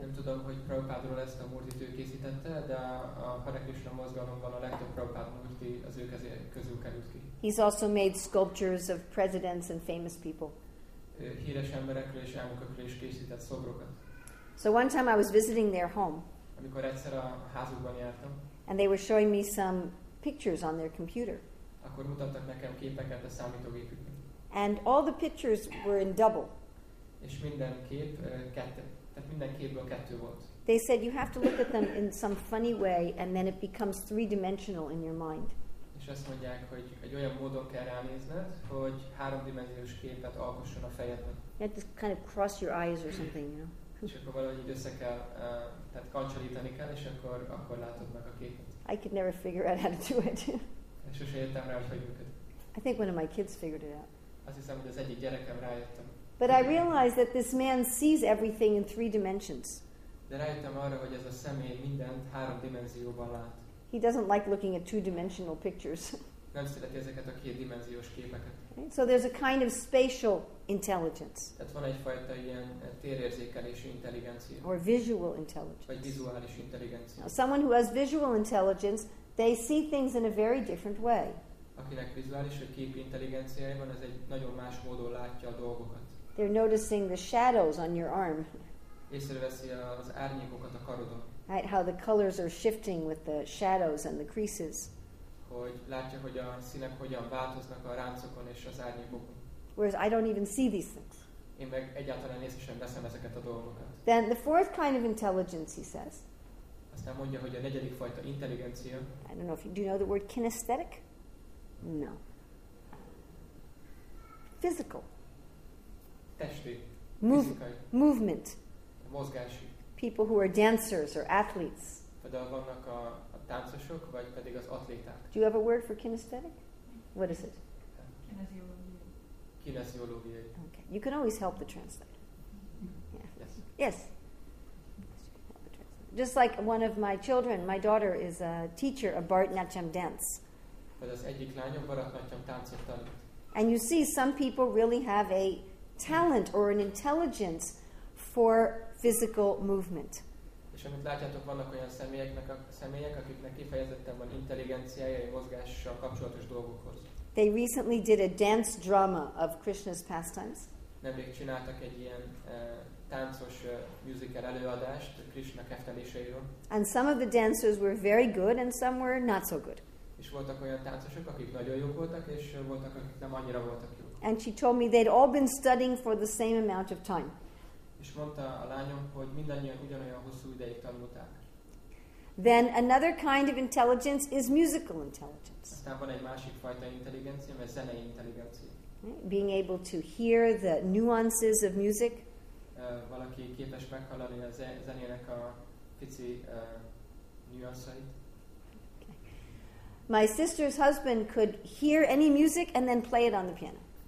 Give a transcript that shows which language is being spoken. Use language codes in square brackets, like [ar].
[hu] Nem tudom, hogy Prabhupádról ezt a murtit ő készítette, de a Hare Krishna mozgalomban a legtöbb Prabhupáda murti az ő kezé közül került ki. [en] He's also made sculptures of presidents and famous people. [hu] Híres emberekről és elnökökről is készített szobrokat. [en] So one time I was visiting their home. [hu] Amikor egyszer a házukban jártam. [en] And they were showing me some pictures on their computer. [hu] Akkor mutattak nekem képeket a számítógépükön. [en] And all the pictures were in double. [hu] És minden kép kettő. Tehát minden képből kettő volt. [en] They said you have to look at them in some funny way and then it becomes three-dimensional in your mind. [hu] És azt mondják, hogy egy olyan módon kell ránézned, hogy háromdimenziós képet alkosson a fejedben. [en] You have to kind of cross your eyes or something, you know. [hu] És akkor valahogy így össze kell, tehát kancsolítani kell, és akkor látod meg a képet. [en] I could never figure out how to do it. [hu] Sose jöttem rá, hogy működik. [en] I think one of my kids figured it out. [hu] Azt hiszem, hogy az egyik gyerekem rájöttem. [en] But I realized that this man sees everything in three dimensions. [hu] De rájöttem arra, hogy ez a személy mindent három dimenzióban lát. [en] He doesn't like looking at two-dimensional pictures. [hu] Nem szereti ezeket a kétdimenziós képeket. [en] So there's a kind of spatial intelligence. [hu] Tehát van egyfajta ilyen térérzékelési intelligencia. [en] Or visual intelligence. [hu] Vagy vizuális intelligencia. [en] Now, someone who has visual intelligence, they see things in a very different way. [hu] Akinek vizuális vagy képi intelligencia van, az egy nagyon más módon látja a dolgokat. [en] They're noticing the shadows on your arm. [hu] Észreveszi az árnyékokat a karodon. [en] Right, how the colors are shifting with the shadows and the creases. [hu] Hogy látja, hogy a színek hogyan változnak a ráncokon és az árnyékokon. [en] Whereas I don't even see these things. [hu] Én meg egyáltalán észre sem veszem ezeket a dolgokat. [en] Then the fourth kind of intelligence, he says. [hu] Aztán mondja, hogy a negyedik fajta intelligencia. [en] I don't know if you, do you know the word kinesthetic? No. Physical. [hu] Testi. [en] Movement. [hu] A mozgási. [en] People who are dancers or athletes. [hu] Például vannak a táncosok, vagy pedig az atléták. [en] Do you have a word for kinesthetic? What is it? [hu] Kinesiológia. [en] Okay. You can always help the translator. Yeah. Yes. Just like one of my children, my daughter is a teacher of Bharatanatyam dance. [hu] Az egyik lányom Bharatanatyam táncot tanít. [en] And you see, some people really have a talent or an intelligence for physical movement. [hu] És amit látjátok, vannak olyan személyek, akiknek kifejezetten van intelligenciája a mozgással kapcsolatos dolgokhoz. [en] They recently did a dance drama of Krishna's pastimes. [hu] Nemrég csináltak egy ilyen táncos musical előadást Krishna kefteléseiről. [en] And some of the dancers were very good and some were not so good. [hu] És voltak olyan táncosok, akik nagyon jók voltak, és voltak, akik nem annyira voltak jók. [en] And she told me they'd all been studying for the same amount of time. [hu] És mondta a lányom, hogy mindannyian ugyanolyan hosszú ideig tanulták. [en] Then another kind of intelligence is musical intelligence. [hu] Aztán van egy másik fajta intelligencia, mert zenei intelligencia. [en] Being able to hear the nuances of music. [hu] Valaki képes meghallani a zenének a pici nuanszait. [en] My sister's husband could hear any music and then play it on the piano.